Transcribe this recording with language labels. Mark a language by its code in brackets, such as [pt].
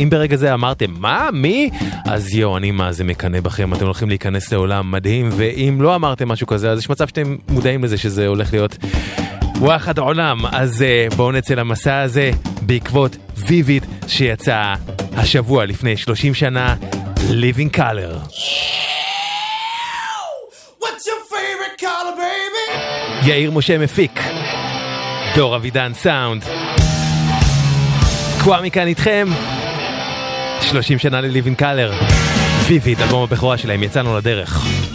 [he] אם ברגע זה אמרתם, מה? מי? אז יו, אני מה זה מקנה בכם, אתם הולכים להיכנס לעולם מדהים, ואם לא אמרתם משהו כזה, אז יש מצב שאתם מודעים לזה שזה הולך להיות וואחד עולם. אז בואו נצא למסע הזה בעקבות ויביד שיצא השבוע לפני 30 שנה, ליוינג קולור. [en] What's your favorite color, baby? [he] יאיר משה מפיק, דור אבידן סאונד, קואמי כאן איתכם. 30 שנה לליוינג קולור. ויביד, אלבום הבכורה שלהם, יצאנו לדרך.